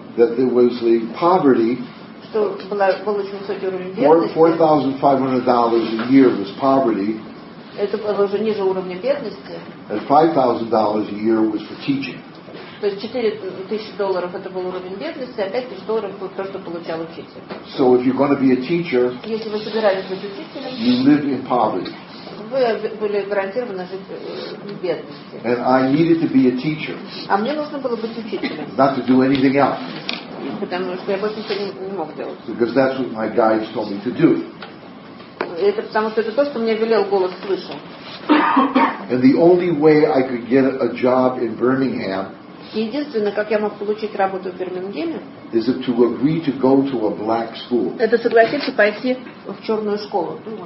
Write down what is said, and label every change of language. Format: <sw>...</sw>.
<en>that there was the poverty.</en> <ru>Что было очень высокий уровень бедности.</ru> <en>$4,500 a year was poverty.</en> <ru>Это было уже ниже уровня бедности.</ru> <en>And $5,000 a year was for teaching.</en> <ru>То есть $4,000 это был уровень бедности, а $5,000 было то, что получал учитель.</ru> <en>So if you're going to be a teacher,</en> <ru>если вы собирались быть учителем,</ru> <en>you live in poverty.</en> <ru>Вы были гарантированы жить в бедности.</ru> <en>And I needed to be a teacher.</en> <ru>А мне нужно было быть учителем.</ru> <en>Not to do anything else.</en> <ru>Потому что я больше ничего не мог делать.</ru> <en>Because that's what my guides told me to do.</en> <ru>Это потому что это то, что мне велел голос свыше.</ru> <en>And the only way I could get a job in Birmingham.</en> <ru>Единственное, как я мог получить работу в Бирмингеме.</ru> <en>Is it to agree to go to a black school?</en> <ru>Это согласиться пойти в черную школу.</ru>